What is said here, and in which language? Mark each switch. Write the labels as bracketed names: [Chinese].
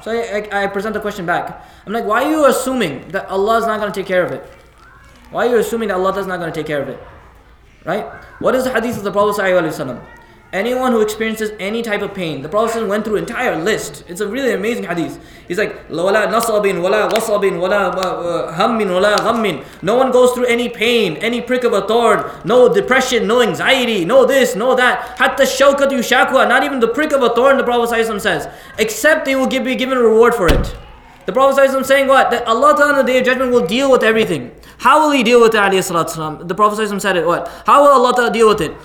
[English] So I present the question back. I'm like, why are you assuming that Allah is not going to take care of it? Why are you assuming that Allah is not going to take care of it? Right? What is the hadith of the Prophet? Anyone who experiences any type of pain, the Prophet went through an entire list. It's a really amazing hadith. He's like, [Arabic] وَلَا نَصَبٍ وَلَا غَصَبٍ وَلَا هَمٍ وَلَا غَمٍ. [English] No one goes through any pain, any prick of a thorn, no depression, no anxiety, no this, no that. [Arabic] حَتَّ الشَّوْكَةُ يُشَاكُوَا. [English] Not even the prick of a thorn, the Prophet says. Except they will be given a reward for it. The Prophet is saying what? That Allah Ta'ala on the Day of Judgment will deal with everything. How will he deal with it? The Prophet said it, what? How will Allah Ta'ala deal with it?